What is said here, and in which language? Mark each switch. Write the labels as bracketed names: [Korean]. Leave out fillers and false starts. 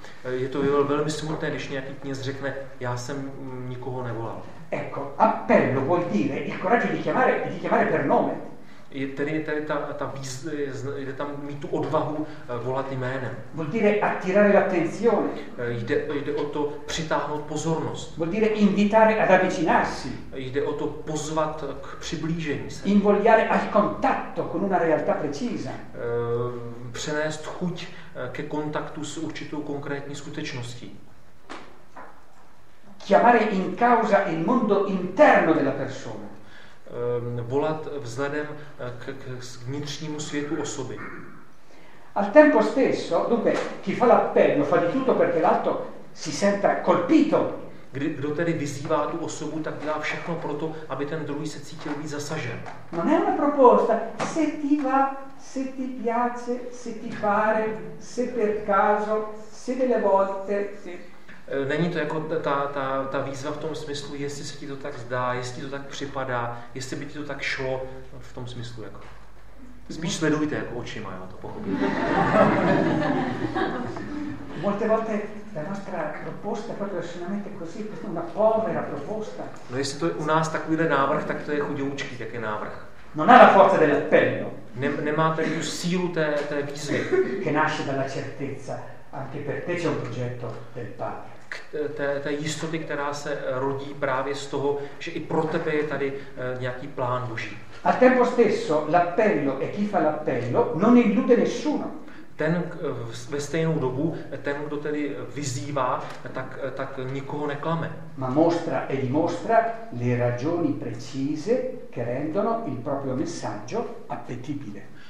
[Czech] Je to velmi smutné, když nějaký kněz řekne, já jsem nikoho nevolal. [Italian] Ecco, appello vuol dire il coraggio di chiamare per nome. [Czech] je tedy ta víz, jde tam mít tu odvahu volat jménem. [Italian] Vuol dire attirare l'attenzione. [Czech] Jde o to přitáhnout pozornost. [Italian] Vuol dire invitare ad avvicinarsi. [Czech] Jde o to pozvat k přiblížení se. [Italian] Invogliare al contatto con una realtà precisa. [Czech] Přenést chuť ke kontaktu s určitou konkrétní skutečností. [Italian] Chiamare in causa il mondo interno della persona. [Czech] Volat vzhledem k vnitřnímu světu osoby. [Italian] Al tempo stesso, dunque, chi fa l'appello fa di tutto perché l'altro si senta colpito. [Czech] Kdo tedy vyzývá tu osobu, tak dělá všechno pro to, aby ten druhý se cítil být zasažen. [Italian] Non è una proposta, se ti va, se ti piace, se ti pare, se per caso, se delle volte, se... [Czech] Není to jako ta výzva v tom smyslu, jestli se ti to tak zdá, jestli to tak připadá, jestli by ti to tak šlo, v tom smyslu jako. Spíš sledujte jako očima, já to pochopím. [Italian] Molte volte la nostra proposta è proprio solamente così, questa è una povera proposta. [Czech] No, jestli to je u nás takovýhle návrh, tak to je chudoučký, tak je návrh. [Italian] Non ha la forza dell'appello. [Czech] Nemá tedy tu sílu té výzvy. [Italian] Che nasce dalla certezza. Anche per te c'è un progetto del padre. [Czech] Té jistoty, která se rodí právě z toho, že i pro tebe je tady nějaký plán Boží. [Italian] Al tempo stesso, l'appello e chi fa l'appello non illude nessuno. [Czech] Ten ve stejnou dobu, ten, kdo tedy vyzývá, tak nikoho neklame. [Italian] Ma mostra e dimostra le ragioni precise che rendono il proprio messaggio appetibile.